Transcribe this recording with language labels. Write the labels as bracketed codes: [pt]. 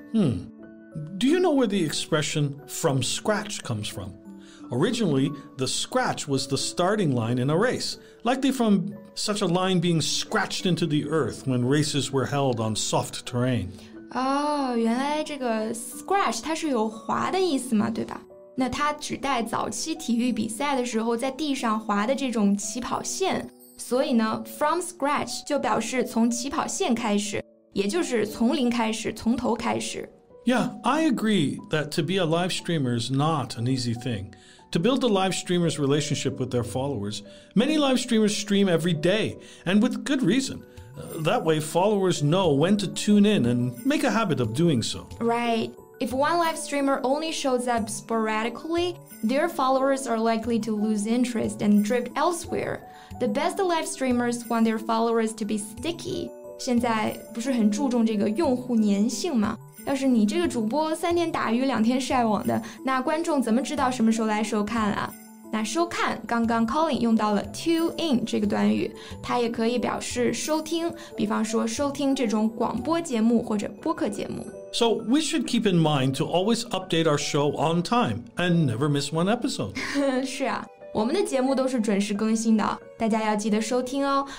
[en] Do you know where the expression from scratch comes from? Originally, the scratch was the starting line in a race, likely from such a line being scratched into the earth when races were held on soft terrain. [zh] Oh, 原来这个 scratch 它是有滑的意思嘛，对吧？那它指代早期体育比赛的时候在地上滑的这种起跑线，所以呢 from scratch 就表示从起跑线开始，也就是从零开始，从头开始。 [en] Yeah, I agree that to be a live streamer is not an easy thing. To build the live streamer's relationship with their followers, many live streamers stream every day, and with good reason. That way followers know when to tune in and make a habit of doing so. Right. If one live streamer only shows up sporadically, their followers are likely to lose interest and drift elsewhere. The best live streamers want their followers to be sticky. [zh] 现在不是很注重这个用户粘性吗？要是你这个主播三天打鱼两天晒网的，那观众怎么知道什么时候来收看啊？那收看，刚刚 Colin 用到了 tune in 这个短语，它也可以表示收听，比方说收听这种广播节目或者播客节目。 [en] So we should keep in mind to always update our show on time and never miss one episode. [zh] 是啊，我们的节目都是准时更新的，大家要记得收听哦。